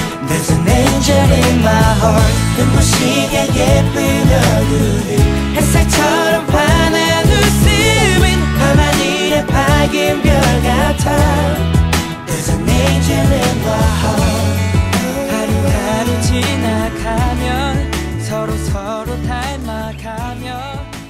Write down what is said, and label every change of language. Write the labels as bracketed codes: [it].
[en] There's an angel in my heart. [ko] 눈부시게 예쁜 얼굴, 햇살처럼 환한 웃음은 밤하늘의 밝은 별 같아. [en] There's an angel in my heart. [ko] 하루하루 지나가면 서로서로 닮아가면